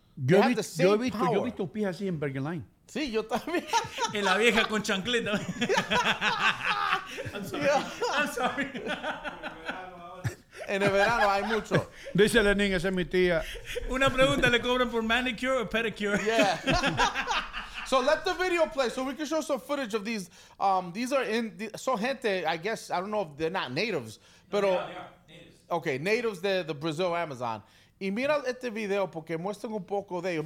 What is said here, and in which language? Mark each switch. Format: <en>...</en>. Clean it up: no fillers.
<es>Yo he visto pies así en Bergen Line. Sí, yo también. En la vieja con chancleta.</es> <en>I'm sorry.</en> <es>En el verano hay mucho. Dice Lenín, esa es mi tía. Una pregunta, ¿le cobran por manicure o pedicure?</es> <en>Yeah. So let the video play so we can show some footage of these. These are in, so gente, I guess, I don't know if they're not natives, pero. No, they are natives. Okay, natives de Brazil Amazon.</en> <es>Y mira este video porque muestran un poco de ellos.</es>